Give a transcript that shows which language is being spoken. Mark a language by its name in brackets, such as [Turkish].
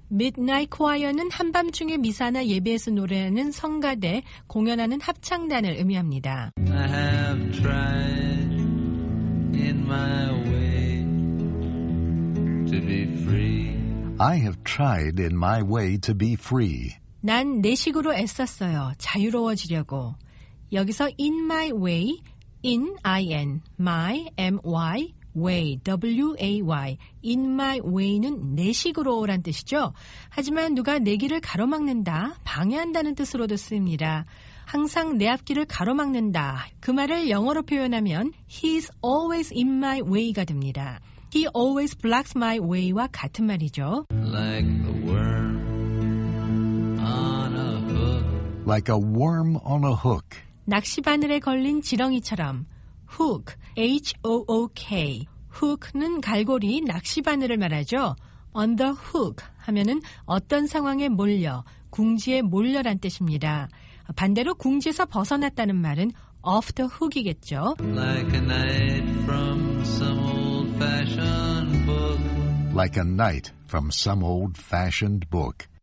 [Korean] Midnight Choir는 한밤중에 미사나 예배에서 노래하는 성가대, 공연하는 합창단을 의미합니다. [English] I have tried in my way to be free. I have tried in my way to be free. [Korean] 난 내 식으로 애썼어요. 자유로워지려고. [English] 여기서 in my way, in, I-N, my, M-Y, way, W-A-Y. [Korean] In my way는 내 식으로란 뜻이죠. 하지만 누가 내 길을 가로막는다, 방해한다는 뜻으로도 쓰입니다. 항상 내 앞길을 가로막는다. 그 말을 영어로 표현하면 [English] He's always in my way [Korean] 가 됩니다. [English] He always blocks my way [Korean] 와 같은 말이죠. [English] Like a worm on a hook. Like a worm on a hook. [Korean] 낚시 바늘에 걸린 지렁이처럼 Hook, H-O-O-K. Hook는 갈고리, 낚시바늘을 말하죠. On the hook 하면은 어떤 상황에 몰려, 궁지에 몰려란 뜻입니다. 반대로 궁지에서 벗어났다는 말은 off the hook이겠죠. [English] Like a knight from some old-fashioned book. Like a knight from some old-fashioned book.